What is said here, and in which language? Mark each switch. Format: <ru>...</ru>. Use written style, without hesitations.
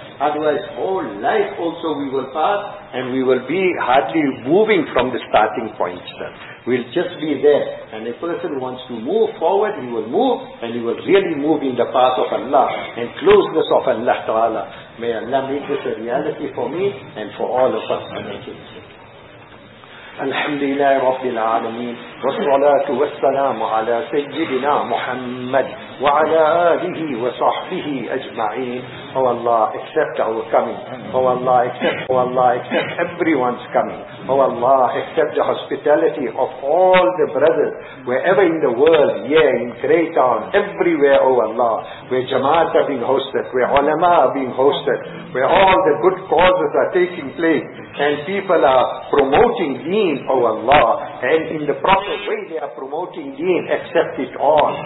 <en>Otherwise, whole life also we will pass, and we will be hardly moving from the starting point. We'll just be there. And a person wants to move forward, he will move, and he will really move in the path of Allah and closeness of Allah Ta'ala. May Allah make this a reality for me and for all of us.</en> <ar>الحمد لله رب العالمين والصلاة والسلام على سيدنا محمد وعلى آله وصحبه أجمعين.</ar> <en>Oh Allah, accept our coming. Oh Allah, accept everyone's coming. Oh Allah, accept the hospitality of all the brothers, wherever in the world, yeah, in Greytown, everywhere, oh Allah, where Jamaat are being hosted, where ulama are being hosted, where all the good causes are taking place, and people are promoting deen, oh Allah, and in the proper way they are promoting deen, accept it all.</en>